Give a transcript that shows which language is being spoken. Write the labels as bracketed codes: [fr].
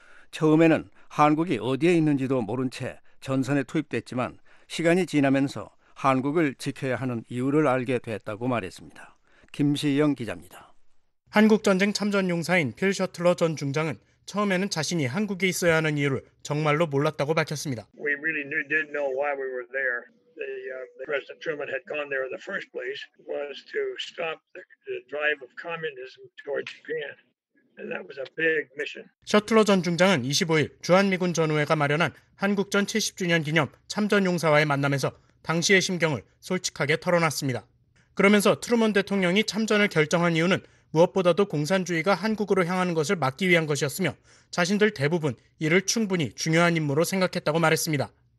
[ko] 처음에는 한국이 어디에 있는지도 모른 채 전선에 투입됐지만 시간이 지나면서 한국을 지켜야 하는 이유를 알게 됐다고 말했습니다. 김시영 기자입니다. 한국전쟁 참전용사인 필 셔틀러 전 중장은 처음에는 자신이 한국에 있어야 하는 이유를 정말로 몰랐다고 밝혔습니다. [en] We really didn't know why we were there. President Truman had gone there in the first place was to stop the drive of communism towards Japan. And that was a big mission. [ko] 셔틀러 전 중장은 25일 주한미군 전우회가 마련한 한국전 70주년 기념 참전용사와의 만남에서 당시의 심경을 솔직하게 털어놨습니다. 그러면서 트루먼 대통령이 참전을 결정한 이유는 무엇보다도 공산주의가 한국으로 향하는 것을 막기 위한 것이었으며 자신들 대부분 이를 충분히 중요한 임무로 생각했다고 말했습니다.